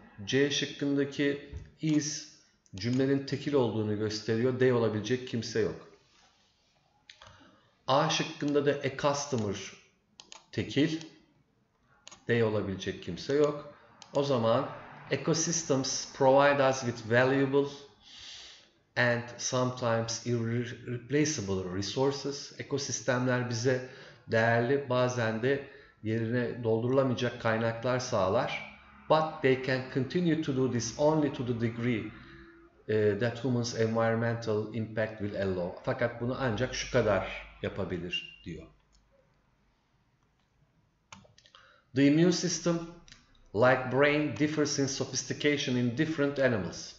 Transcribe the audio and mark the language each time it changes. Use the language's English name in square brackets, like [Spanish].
[Turkish] C şıkkındaki is cümlenin tekil olduğunu gösteriyor. D olabilecek kimse yok. A şıkkında da [English] a customer [Turkish] tekil. D olabilecek kimse yok. O zaman [English] ecosystems provide us with valuable and sometimes irreplaceable resources. [Turkish] Ekosistemler bize değerli, bazen de yerine doldurulamayacak kaynaklar sağlar. [English] But they can continue to do this only to the degree that human's environmental impact will allow. [Turkish] Fakat bunu ancak şu kadar yapabilir diyor. [English] The immune system, like brain, differs in sophistication in different animals.